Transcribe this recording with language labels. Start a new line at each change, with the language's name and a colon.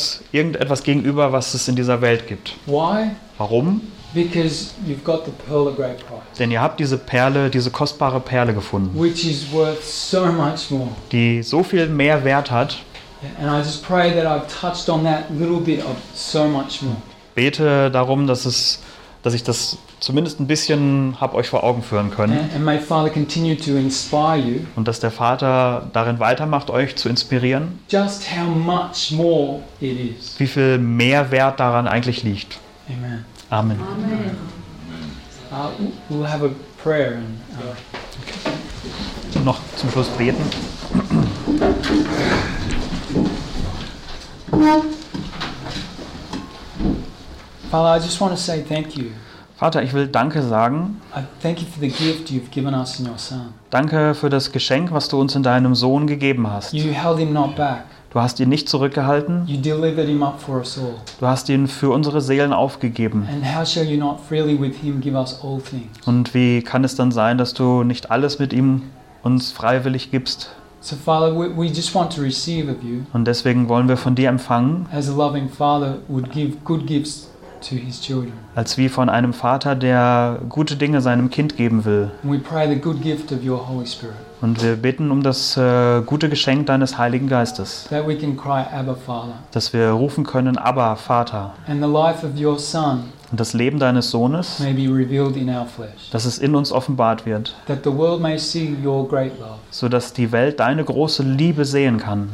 German: Irgendetwas gegenüber, was es in dieser Welt gibt.
English: Why?
German: Warum?
English: Because you've got the pearl of great price.
German: Denn ihr habt diese Perle, diese kostbare Perle gefunden.
English: Which is worth so much more.
German: Die so viel mehr Wert hat.
English: And I just pray that I've touched on that little bit of so much more.
German: Bete darum, dass ich das zumindest ein bisschen hab euch vor Augen führen können.
English: And my Father continue to inspire you.
German: Und dass der Vater darin weitermacht, euch zu inspirieren.
English: Just how much more it is.
German: Wie viel mehr Wert daran eigentlich liegt.
English: Amen.
German: Amen.
English: Amen. We'll have a prayer and,
German: Noch zum Schluss beten.
English: Father, I just want to say thank you.
German: Vater, ich will Danke sagen.
English: I thank you for the gift you've given us in your son.
German: Danke für das Geschenk, was du uns in deinem Sohn gegeben hast.
English: You held him not back.
German: Du hast ihn nicht zurückgehalten.
English: You delivered him up for us all.
German: Du hast ihn für unsere Seelen aufgegeben.
English: And how shall you not freely with him give us all things?
German: Und wie kann es dann sein, dass du nicht alles mit ihm uns freiwillig gibst?
English: So Father, we just want to receive of you.
German: Und deswegen wollen wir von dir empfangen.
English: As a loving father would give good gifts. To his children.
German: Als wie von einem Vater, der gute Dinge seinem Kind geben will.
English: We pray the good gift of your Holy Spirit.
German: Und wir bitten um das gute Geschenk deines Heiligen Geistes.
English: That we can cry, Abba, Father.
German: Dass wir rufen können, Abba, Vater.
English: And the life of your son.
German: Und das Leben deines Sohnes.
English: May be revealed in our flesh.
German: Dass es in uns offenbart wird.
English: That the world may see your great love.
German: So dass die Welt deine große Liebe sehen kann.